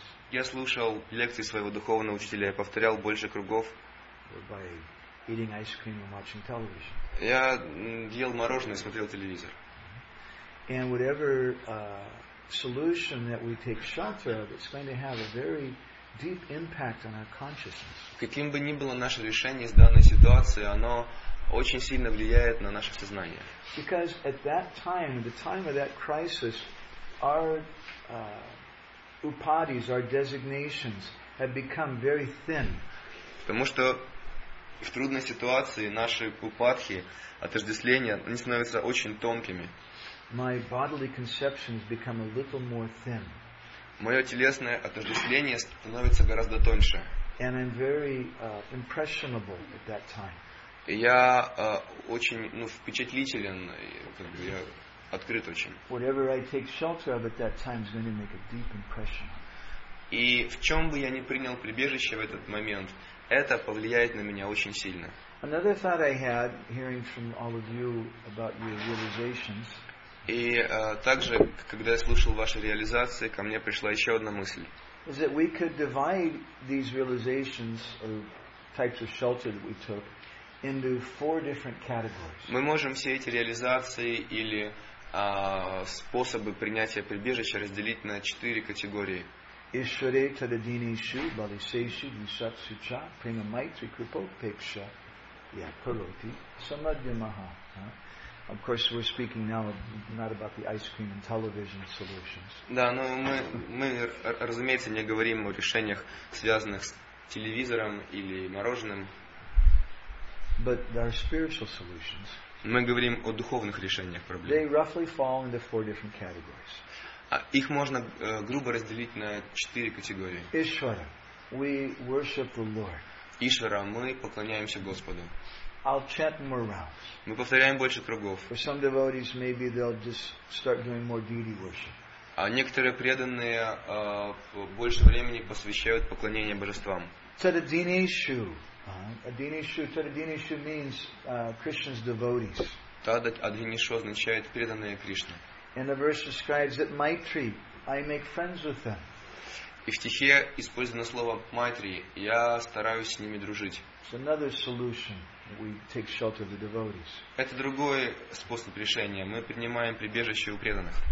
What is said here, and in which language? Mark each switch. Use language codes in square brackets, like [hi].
[ru] Я слушал лекции своего духовного учителя, я повторял больше кругов. [en] Eating ice cream and watching television. [ru] Я ел мороженое и смотрел телевизор. [en] And whatever solution that we take shelter of, it's going to have a very deep impact on our consciousness. [ru] Каким бы ни было наше решение с данной ситуации, оно очень сильно влияет на наше сознание. [en] Because at that time, at the time of that crisis, our upadis, our designations, have become very thin. [ru] Потому что в трудной ситуации наши упадхи, отождествления, они становятся очень тонкими. [en] My bodily conceptions become a little more thin. [ru] Мое телесное отождествление становится гораздо тоньше. [en] And I'm very impressionable at that time. [ru] И я очень впечатлителен, как бы я открыт очень. [en] Whatever I take shelter of at that time is going to make a deep impression. [ru] И в чем бы я ни принял прибежище в этот момент, это повлияет на меня очень сильно. [en] Another thought I had, hearing from all of you about your realizations. [ru] И также, когда я слушал ваши реализации, ко мне пришла еще одна мысль. [en] Is that we could divide these realizations or types of shelter that we took into 4 different categories. [ru] Мы можем все эти реализации или способы принятия прибежища разделить на 4 категории. [sa] Ishvare tadadineshu balisheshu nishatsucha prema maitri kripa peksha yakuroti samadhi maha. [en] Of course, we're speaking now not about the ice cream and television solutions. [ru] Да, но мы, разумеется, не говорим о решениях, связанных с телевизором или мороженым. [en] But there are spiritual solutions. [ru] Мы говорим о духовных решениях проблем. [en] They roughly fall into four different categories. [ru] Их можно грубо разделить на четыре категории. [en] Ishvara, we worship the Lord. [ru] Ishvara, мы поклоняемся Господу. [en] I'll chant more rounds. [ru] Мы повторяем больше кругов. [en] For some devotees, maybe they'll just start doing more deity worship. [ru] А некоторые преданные больше времени посвящают поклонению божествам. [en] Tadadineshu. Tadadineshu means Krishna's devotees. [ru] Tadadineshu означает преданные Кришне. [en] And the verse describes that Maitri, I make friends with them. [ru] И в стихе использовано слово Maitri, я стараюсь с ними дружить. [en] It's another solution. We take shelter of the devotees. [ru] Это другой способ решения. Мы принимаем прибежище у преданных.